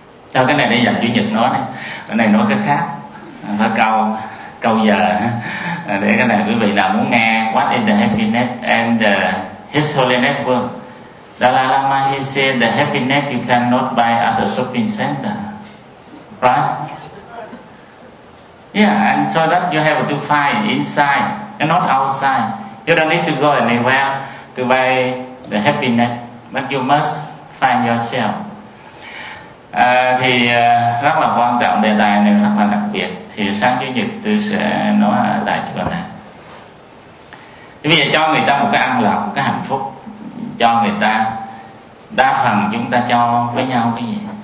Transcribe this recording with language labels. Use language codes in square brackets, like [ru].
[vi] Sao cái này để dành Chủ Nhật nói này. Cái này nói cái khác. Phải câu giờ để cái này quý vị nào muốn nghe [en] what is the happiness and the His Holiness world. Dalai Lama, he said the happiness you cannot buy at the shopping center. Right? Yeah, and so that you have to find inside and not outside. You don't need to go anywhere to buy the happiness, but you must find yourself. [vi] Thì rất là quan trọng đề tài này, rất là đặc biệt. Thì sáng Chủ Nhật tôi sẽ nói lại chỗ này. Thì bây giờ cho người ta một cái an lạc, một cái hạnh phúc. Cho người ta, đa phần chúng ta cho với nhau cái gì?